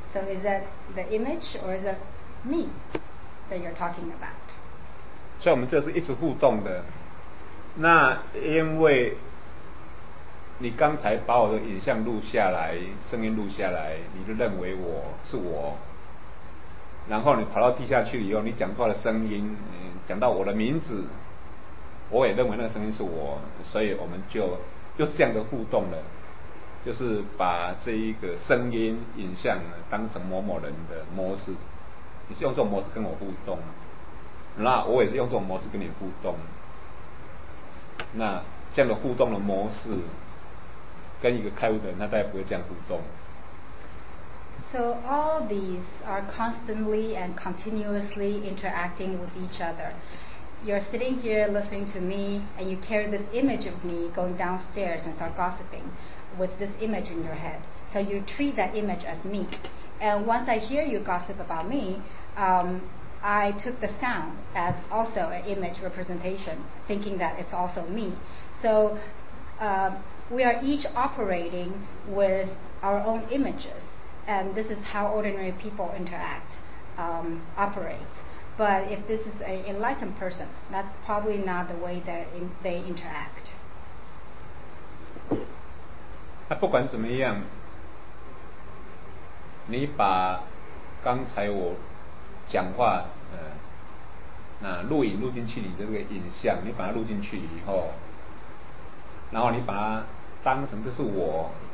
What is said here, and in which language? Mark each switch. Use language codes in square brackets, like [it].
[en] So is that the image or is it me that you're talking about? [zh] 所以我们这是一直互动的。那因为你刚才把我的影像录下来，声音录下来，你就认为我是我。然后你跑到地下去以后，你讲话的声音，讲到我的名字，我也认为那个声音是我，所以我们就又这样的互动了，就是把这一个声音影像当成某某人的模式，你是用这种模式跟我互动，那我也是用这种模式跟你互动，那这样的互动的模式跟一个开悟的人，他大概不会这样互动。 [en] So all these are constantly and continuously interacting with each other. You're sitting here listening to me, and you carry this image of me going downstairs and start gossiping with this image in your head. So you treat that image as me. And once I hear you gossip about me, I took the sound as also an image representation, thinking that it's also me. So we are each operating with our own images. And this is how ordinary people interact, operate. But if this is an enlightened person, that's probably not the way that they interact. [zh] 那不管怎么样，你把刚才我讲话，那录影录进去你的这个影像，你把它录进去以后，然后你把它当成这是我。